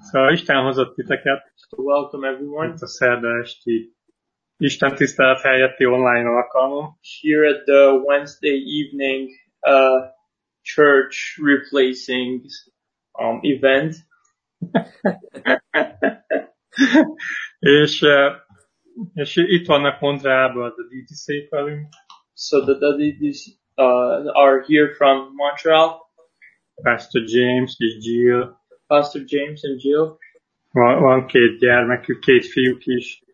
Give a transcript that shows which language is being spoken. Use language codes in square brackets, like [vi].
[hu] So, Isten hozott titeket. [en] So welcome everyone. [hu] Itt a szerda esti Isten tisztelet helyetti online alkalom. [en] Here at the Wednesday evening church replacing event. [hu] és itt vannak Montrealból a DTC-kelünk. [en] So the DTC are here from Montreal. [hu] Pastor James és Jill. [en] Pastor James and Jill. [hu] Van két gyermekük, két fiúk is.